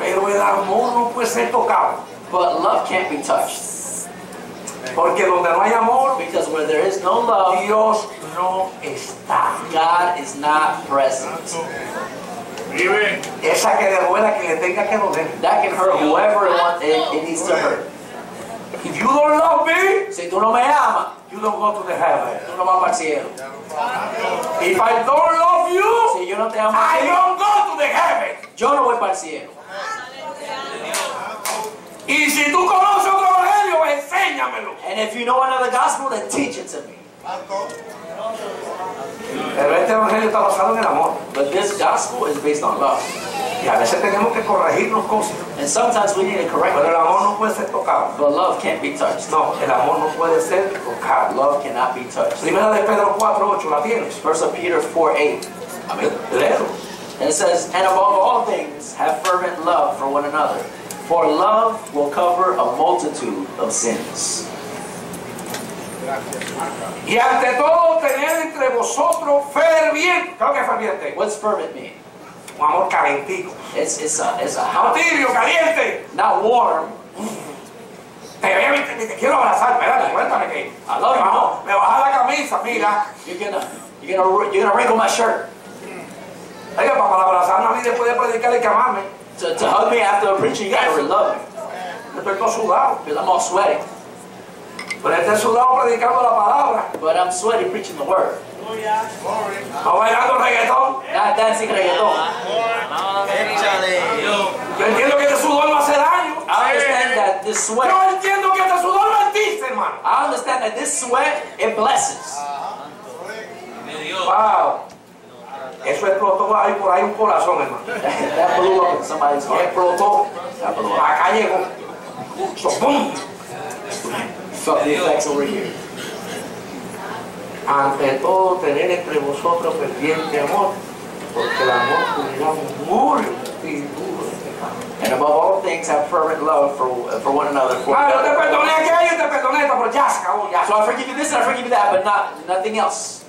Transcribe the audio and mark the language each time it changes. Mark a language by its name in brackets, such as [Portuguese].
[Spanish] Pero el amor no puede ser tocado. [English] But love can't be touched. [Spanish] Porque donde no hay amor, [English] because where there is no love, [Spanish] Dios no está. [English] God is not present. [Spanish] Esa que le duela, que le tenga que doler. [English] That can hurt whoever it needs to hurt. If you don't love me, [Spanish] si tú no me amas, [English] you don't go to the heaven. [Spanish] Tú no vas para el cielo. [English] If I don't love you, [Spanish] si yo no te amo, [English] I don't go to the heaven. [Spanish] Yo no voy para el cielo. Y si tú conoces otro evangelio, enséñamelo. [English] And if you know another gospel, then teach it to me. [Spanish] Pero este evangelio está basado en el amor. [English] But this gospel is based on love. [Spanish] Y a veces tenemos que corregirnos cosas. [English] And sometimes we need to correct. [Spanish] Pero el amor no puede ser tocado. [English] But love can't be touched. [Spanish] No, el amor no puede ser tocado. [English] Love cannot be touched. [Spanish] Primera de Pedro 4:8, ¿la tienes? [English] First of Peter 4:8. [Spanish] Amén. Léelo. [English] And it says, and above all things, have fervent love for one another, for love will cover a multitude of sins. [Spanish] Y ante todo, tener entre vosotros ferviente. ¿Cómo que ferviente? [English] What's fervent mean? [Spanish] Un amor calentico. [English] It's a [Spanish] hot. Tibio, caliente. [English] Not warm. [Spanish] Te veo y te quiero abrazar. Espérate, cuéntame que. [English] I love you. [Spanish] Me baja la camisa, mira. [English] You're gonna wrinkle my shirt. [Spanish] Oye, para abrazarme a mí después de predicar y quemarme. [English] To hug me after a preaching, you gotta love [Spanish] me. Estoy todo sudado. [English] Because I'm all sweating. [Spanish] Pero estoy sudado predicando la palabra. [English] But I'm sweaty preaching the word. [Spanish] ¿Está bailando reggaetón? [English] Not dancing reggaetón. [Spanish] Échale. Yo entiendo que este sudor va a hacer daño. [English] I understand that this sweat. [Spanish] Yo entiendo que este sudor bendice, hermano. [English] I understand that this sweat, it blesses. Wow. [Spanish] Eso explotó ahí por ahí un corazón, hermano. [English] That blew up in somebody's heart. [Spanish] Explotó. Acá llegó. [English] So, boom. Felt the effects over here. [Spanish] Ante todo, tener entre vosotros ferviente amor, porque el amor cubrirá multitud de pecados. [English] And above all things, have fervent love for one another. [Spanish] Ah, te perdoné aquello, yo te perdoné esto, pero ya, [English] so I forgive you this and I forgive you that, but nothing else.